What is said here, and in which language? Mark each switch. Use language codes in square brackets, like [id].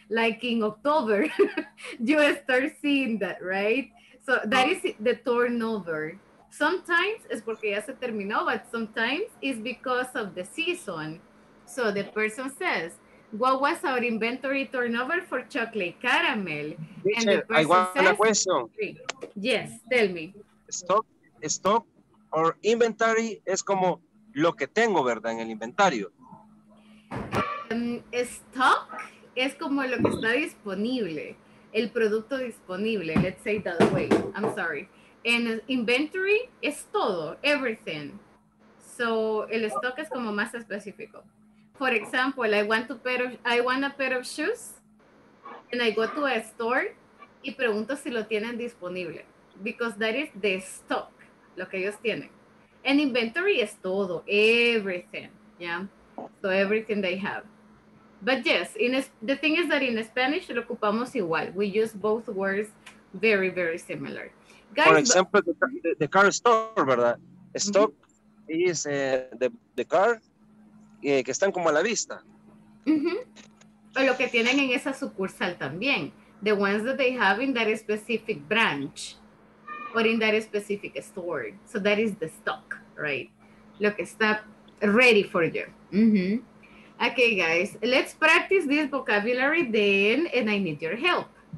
[en] Like in October, you start seeing that, right? So that is the turnover. Sometimes es porque ya se terminó, but sometimes it's because of the season. So the person says, what was our inventory turnover for chocolate caramel? And the person says, question. Yes, tell me. [es] Stock or inventory es como lo que tengo, ¿verdad? En el inventario. Stock es como lo que está disponible, el producto disponible, [en] let's say that way, I'm sorry. [es] And inventory es todo, everything. So, el stock es como más específico. [en] For example, I want a pair of shoes, and I go to a store, [es] y pregunto si lo tienen disponible, [en] because that is the stock, [es] lo que ellos tienen. [en] And inventory [es] es todo, [en] everything, yeah? So everything they have. But yes, the thing is that in Spanish, [es] lo ocupamos igual. [en] We use both words very, very similar. Guys, for example, the car store, ¿verdad? Stock is the car [es] que están como a la vista. O lo que tienen en esa sucursal también. [en] The ones that they have in that specific branch. Or in that specific store. So that is the stock, right? [es] Lo que está [en] ready for you. Okay, guys, let's practice this vocabulary then, and I need your help.